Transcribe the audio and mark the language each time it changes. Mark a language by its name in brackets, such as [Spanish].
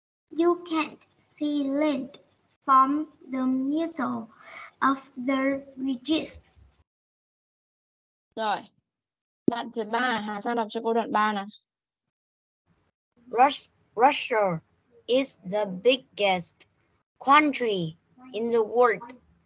[English] You can't see land from the middle of the ridges. [Vietnamese] Rồi. Đoạn thứ 3, Hà sang đọc cho cô đoạn 3 nào. [English] Russia is the biggest country in the world.